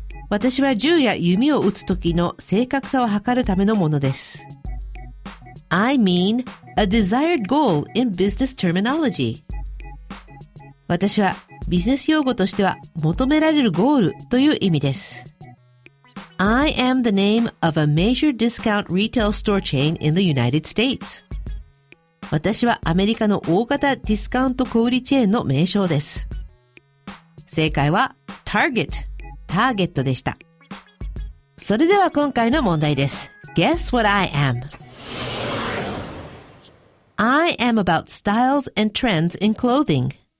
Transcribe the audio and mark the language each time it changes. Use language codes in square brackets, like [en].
[ja] 私は銃や弓を撃つ時の正確さを測るためのものです。 [en] I mean a desired goal in business terminology. [ja] 私はビジネス用語としては求められるゴールという意味です。 [en] I am the name of a major discount retail store chain in the United States. [ja] 私はアメリカの大型ディスカウント小売チェーンの名称です。正解は Target、ターゲットでした。それでは今回の問題です。 [en] Guess what I am? I am about styles and trends in clothing.